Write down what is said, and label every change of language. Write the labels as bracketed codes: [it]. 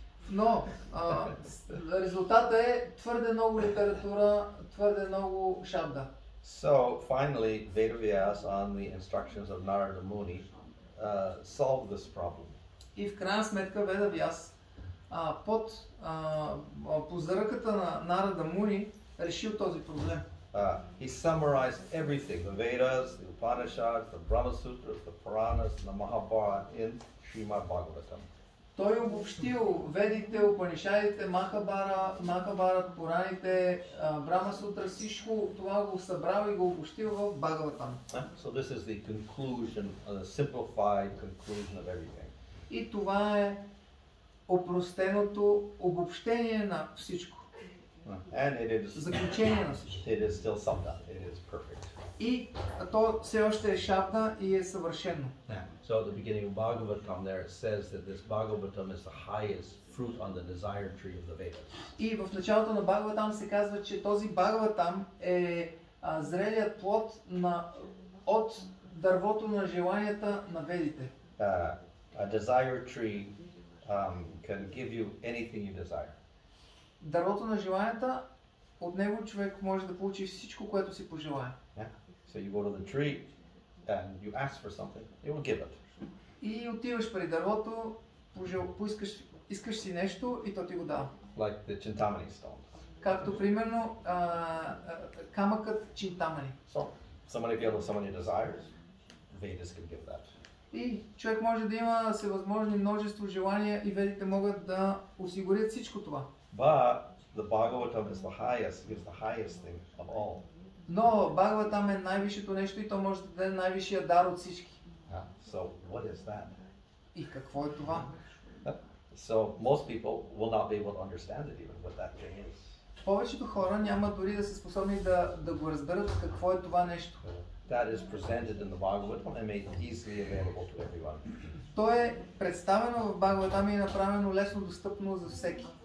[bg] Но резултатът е твърде много литература, твърде много шабда. [en] So finally, Veda Vyas, on the instructions of Narada Muni, solved this problem. [bg] И в крайна сметка Веда Вяс под позръката на Нарада Муни решил този проблем. [en] He summarized everything, the Vedas, the Upanishads, the Brahma Sutras, the Puranas, and the Mahabharata in Srimad Bhagavatam. [bg] Той обобщил ведите, Упанишадите, Махабарат, Пураните, Брахма Сутра, всичко това го събрал и го обобщил в Бхагаватам. [en] So this is the conclusion, the simplified conclusion of everything. [bg] И това е опростеното обобщение на всичко. [en] And it is [bg] заключение на всичко. [en] It is still summed up. It is perfect. [bg] И то все още е шабда и е съвършено. [en] So at the beginning of Bhagavatam there it says that this Bhagavatam is the highest fruit on the desire tree of the Vedas. [bg] И в началото на Бхагаватам се казва, че този Бхагаватам е зрелият плод от дървото на желанията на ведите. [en] A desire tree can give you anything you desire. [bg] Дървото на желанията, от него човек може да получи всичко, което си пожелае. [en] So you go to the tree and you ask for something, it will give it. [bg] И отиваш при дървото, поискаш си нещо и то ти го дава. [en] Like the Chintamani stone. [bg] Както примерно камъкът Чинтамани. [en] So, somebody feels somebody desires, Vedas can give that. [bg] И човек може да има всевъзможни множество желания и ведите могат да осигурят всичко това. [en] But the Bhagavatam is the highest, gives the highest thing of all. [bg] Но Бхагаватам е най-висшето нещо и то може да даде най-висшия дар от всички. [en] So what is that? [bg] И какво е това? [en] So most people will not be able to understand it even what that thing is. [bg] Повечето хора няма дори да са способни да го разберат какво е това нещо. [en] That is presented in the Bhagavatam and made easily available to everyone. [bg] То е представено в Бхагаватам и е направено лесно достъпно за всеки.